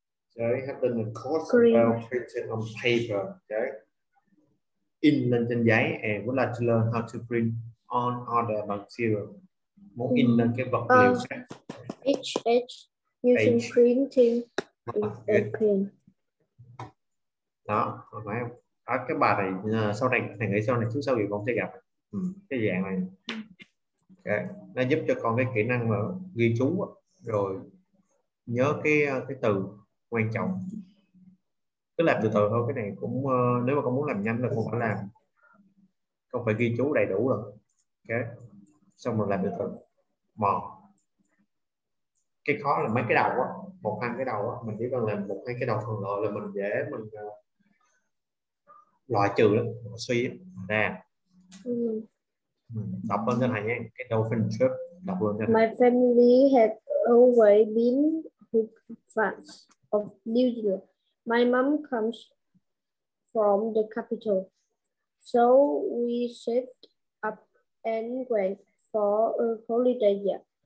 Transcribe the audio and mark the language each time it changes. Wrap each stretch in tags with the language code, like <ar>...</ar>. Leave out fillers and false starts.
<en>Okay, have done a course about printing on paper. Okay,</en> <vi>in lên trên giấy,</vi> <en>and would like to learn how to print on other material.</en> <vi>Muốn in lên cái vật liệu khác.</vi> <en>H using H. Printing in a pen.</en> <vi>Đó, phải không? Cái bài này sau này thầy nghĩ sau này chú sau gì con sẽ gặp cái dạng này. Okay, nó giúp cho con cái kỹ năng mà ghi chú rồi nhớ cái từ quan trọng, cứ làm từ từ thôi. Cái này cũng nếu mà con muốn làm nhanh là con phải làm, con phải ghi chú đầy đủ rồi, ok, xong rồi làm từ từ mò. Cái khó là mấy cái đầu á, một hai cái đầu á, mình chỉ cần làm một hai cái đầu phần lợi là mình dễ mình loại trừ lắm, suy ra. Đọc lên cho thầy nha, cái dolphin trip, đọc lên cho thầy.</vi> <en>My family had always been fans of New Zealand. My mom comes from the capital, so we saved up and went for a holiday there.</en>